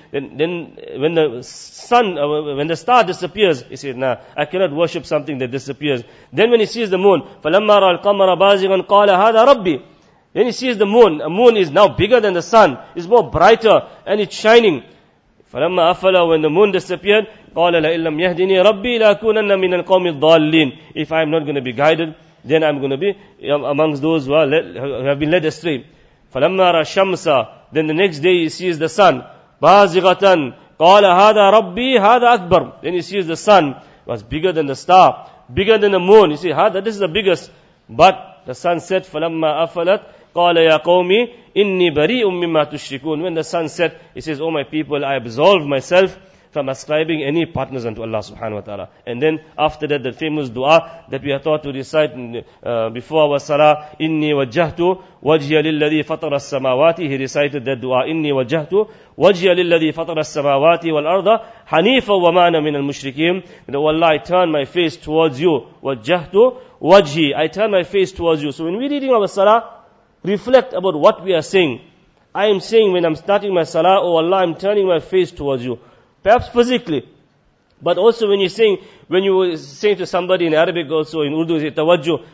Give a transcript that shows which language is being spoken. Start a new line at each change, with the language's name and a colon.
English: Then when the sun, when the star disappears, he says, nah, I cannot worship something that disappears. Then when he sees the moon,
Arabic: فَلَمَّا رَى الْقَمَرَ بَازِغًا قَالَ هَذَا رَبِّي.
English: Then he sees the moon. A moon is now bigger than the sun. It's more brighter and it's shining.
Arabic: فَلَمَّا أَفَلَى,
English: when the moon disappeared,
Arabic: قَالَ لَإِنْ لَمْ يَهْدِنِي رَبِّي لَأَكُونَنَّ مِنَ الْقَوْمِ الضَّالِّينَ.
English: If I'm not going to be guided, then I'm going to be amongst those who have been led astray.
Arabic: فَلَمَّا رَى الشَّمْسَ,
English: then the next day he sees the sun.
Arabic: بَازِغَةً, قَالَ هَذَا رَبِّي هَذَا أَكْبَرُ.
English: Then he sees the sun. It was bigger than the star, bigger than the moon. You see, this is the biggest. But the sun set,
Arabic: فَلَمَّا أَفَلَتْ, قَالَ يَا قَوْمِي إِنِّي بَرِيءٌ مِّمَّا تُشْرِكُونَ.
English: When the sun set, he says, oh my people, I absolve myself from ascribing any partners unto Allah subhanahu wa ta'ala. And then after that, the famous dua that we are taught to recite before our salah,
Arabic: إِنِّي وَجَّهْتُ وَجْهِيَ لِلَّذِي فَطَرَ السَّمَاوَاتِ.
English: He recited that dua,
Arabic: إِنِّي وَجَّهْتُ وَجْهِيَ لِلَّذِي فَطَرَ السَّمَاوَاتِ وَالْأَرْضَ حَنِيفًا وَمَا أَنَا مِنَ الْمُشْرِكِينَ.
English: And, oh Allah, I turn my face towards you.
Arabic: وَجَّهْتُ وَجْهِي,
English: I turn my face towards you. So when we're reading our salah, reflect about what we are saying. I am saying when I'm starting my salah, oh Allah, I'm turning my face towards you. Perhaps physically. But also when you're saying, when you were saying to somebody in Arabic also, in Urdu, you say tawajjuh.